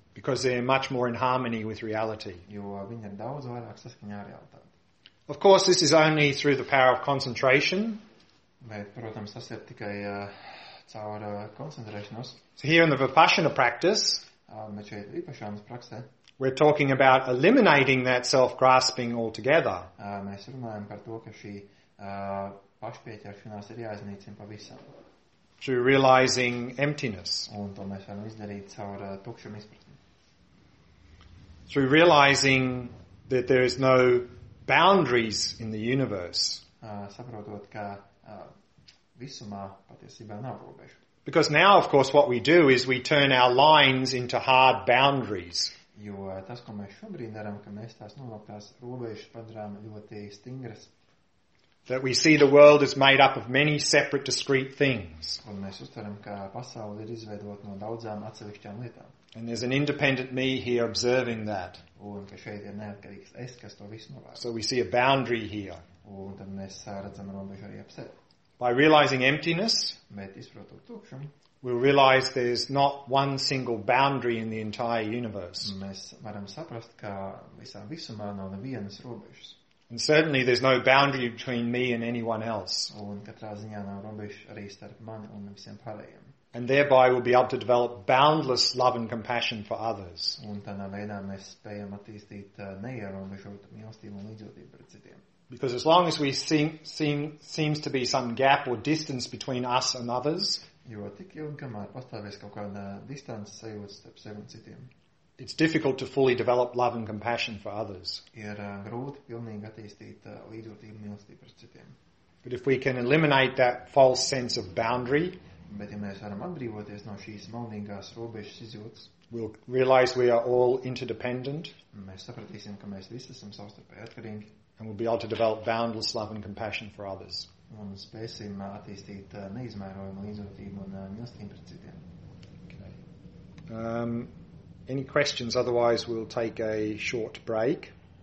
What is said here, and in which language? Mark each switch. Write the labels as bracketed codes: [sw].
[en] Because they are much more in harmony with reality. [lv] Jo viņi ir daudz vairāk saskaņā ar realitāti. [en] Of course, this is only through the power of concentration. [lv] Bet, protams, tas ir tikai caur koncentrēšanos. [en] So here in the Vipassana practice, [lv] mēs šeit Vipassanas praksē, [en] we're talking about eliminating that self-grasping altogether. [lv] Mēs runājam par to, ka šī pašpieķeršanās ir jāiznīcina pavisam. [en] Through realizing emptiness. [lv] Un to mēs varam izdarīt caur tukšumu izpratni. [en] Through realizing that there is no boundaries in the universe. [lv] Saprotot, ka visumā patiesībā nav robežu. [en] Because now, of course, what we do is we turn our lines into hard boundaries. [lv] Jo tas, ko mēs šobrīd darām, ka mēs tās nolauktās robežas padarām ļoti stingras. [en] That we see the world is made up of many separate discrete things. [lv] Un mēs uztveram, ka pasaule ir izveidota no daudzām atsevišķām lietām. [en] And there's an independent me here observing that. [lv] Un ka šeit ir neatkarīgs es, kas to visu novēro. [en] So we see a boundary here. [lv] Un tad mēs redzam robežu arī ap sevi. [en] By realizing emptiness, [lv] bet izprotot tukšumu, [en] we'll realize there's not one single boundary in the entire universe. [lv] Mēs varam saprast, ka visā visumā nav nevienas robežas. [en] And certainly there's no boundary between me and anyone else. [lv] Un katrā ziņā nav robežu arī starp mani un visiem pārējiem. [en] And thereby we'll be able to develop boundless love and compassion for others. [lv] Un tādā veidā mēs spējam attīstīt neierobežotu mīlestību un līdzjūtību pret citiem. [en] Because as long as we seems to be some gap or distance between us and others, [lv] jo tik ilgi, kamēr pastāvēs kaut kāda distance sajūta starp sevi un citiem, [en] it's difficult to fully develop love and compassion for others. [lv] Ir grūti pilnīgi attīstīt līdzjūtību un mīlestību pret citiem. [en] But if we can eliminate that false sense of boundary, [lv] bet ja mēs varam atbrīvoties no šīs maldīgās robežas izjūtas, [en] we'll realize we are all interdependent. [lv] Mēs sapratīsim, ka mēs visi esam savstarpēji atkarīgi. [en] And we'll be able to develop boundless love and compassion for others. [lv] Un spēsim attīstīt neizmērojumu līdzjūtību un mīlestību pret citiem. [en] Okay. Any questions? Otherwise, we'll take a short break.